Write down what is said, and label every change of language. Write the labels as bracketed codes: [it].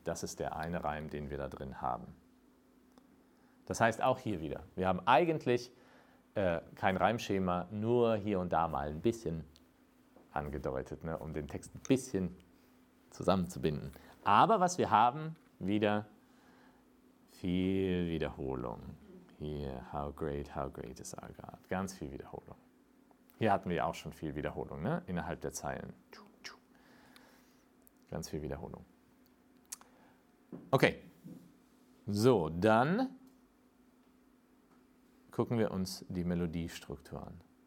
[de] Das ist der eine Reim, den wir da drin haben. Das heißt auch hier wieder, wir haben eigentlich kein Reimschema, nur hier und da mal ein bisschen angedeutet, ne, um den Text ein bisschen zusammenzubinden. Aber was wir haben, wieder viel Wiederholung. [en] Hier, how great is our God. [de] Ganz viel Wiederholung. Hier hatten wir auch schon viel Wiederholung, ne, innerhalb der Zeilen. Ganz viel Wiederholung. Okay, so, dann gucken wir uns die Melodiestruktur an.